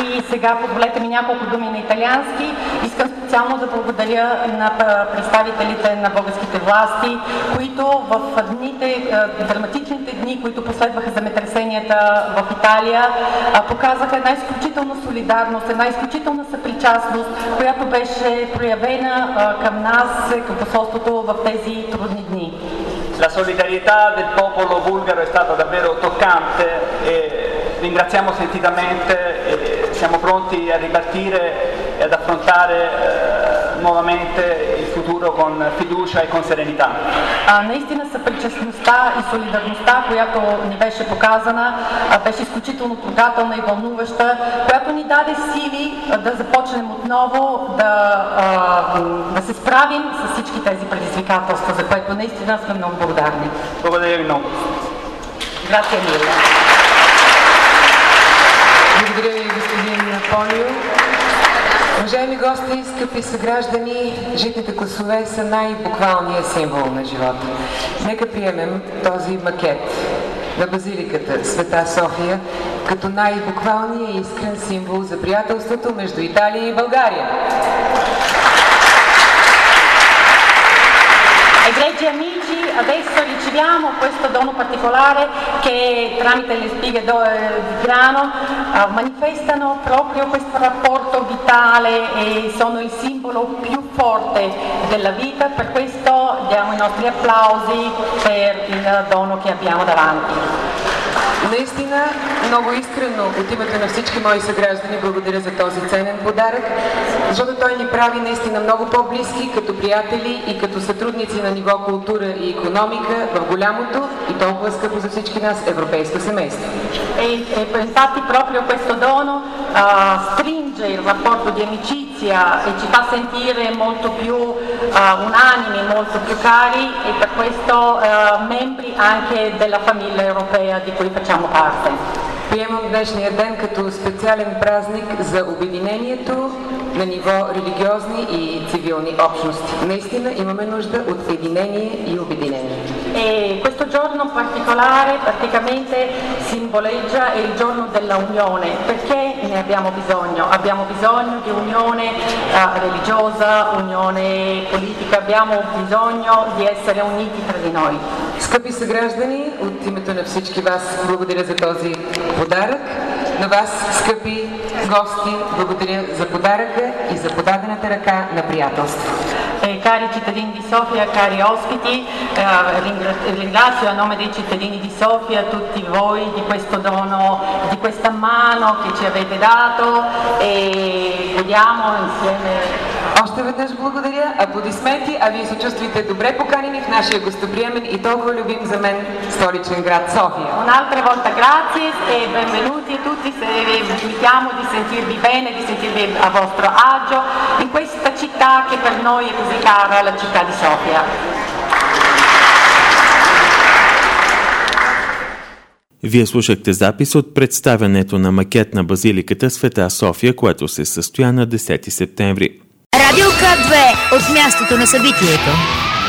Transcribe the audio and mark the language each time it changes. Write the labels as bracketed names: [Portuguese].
[Bulgarian] Сега позволете ми няколко думи на италиански. Искам специално да благодаря на представителите на българските власти, които в дните, драматичните дни, които последваха земетресенията в Италия, показаха една изключителна солидарност, една изключителна съпричастност, която беше проявена към нас, към посолството в тези трудни дни. [Italian] La solidarietà del popolo bulgaro è stata davvero toccante e ringraziamo sentitamente. Siamo pronti a ripartire e ad affrontare nuovamente il futuro con fiducia e con serenità. [Bulgarian] Наистина съпричастността и солидарността, която ни беше показана, беше изключително трогателна и вълнуваща, която ни даде сили да започнем отново да се справим с всички тези предизвикателства, за което наистина сме много благодарни. Благодаря ви много. [Italian] Grazie mille. [Bulgarian] Благодаря ви, господин Полио. Уважаеми гости, скъпи съграждани, житните класове са най-буквалният символ на живота. Нека приемем този макет на базиликата Света София като най-буквалният искрен символ за приятелството между Италия и България. [Italian] Egregi amici, adesso riceviamo questo dono particolare che tramite le spighe di grano manifestano proprio questo rapporto vitale e sono il simbolo più forte della vita. Per questo diamo i nostri applausi per il dono che abbiamo davanti. [Bulgarian] Наистина, много искрено от името на всички мои съграждани благодаря за този ценен подарък, защото той ни прави наистина много по-близки като приятели и като сътрудници на ниво култура и економика в голямото и толкова скъпо за всички нас европейско семейство. [Italian] E infatti proprio questo dono stringe il rapporto di amicizia amicizia e ci fa sentire molto più unanimi, molto più cari e per questo membri anche della famiglia europea di cui facciamo parte. [Bulgarian] Приемам днешния ден като специален празник за обединението на ниво религиозни и цивилни общности. Наистина имаме нужда от единение и обединение. [Italian] E questo giorno particolare praticamente simboleggia il giorno della unione. Perché ne abbiamo bisogno? Abbiamo bisogno di unione religiosa, unione politica, abbiamo bisogno di essere uniti tra di noi. [Bulgarian] Скъпи съграждани, от името на всички вас благодаря за този подарък. На вас, скъпи гости, благодаря за подаръка и за подадената ръка на приятелство. [Italian] Cari cittadini di Sofia, cari ospiti, ringrazio a nome dei cittadini di Sofia tutti voi di questo dono, di questa mano che ci avete dato e vediamo insieme. [Bulgarian] Още веднъж благодаря, аплодисменти, а вие се чувствате добре поканени в нашия гостоприемен и толкова любим за мен столичен град София. [Italian] Un'altra volta grazie e benvenuti a tutti, se vi chiamo di sentirvi bene, di sentirvi a vostro agio in questa città che per noi è così cara, la città di Sofia. [Bulgarian] Вие слушахте запис от представянето на макет на базиликата Света София, което се състоя на 10 септември. Радио К2 от мястото на събитието.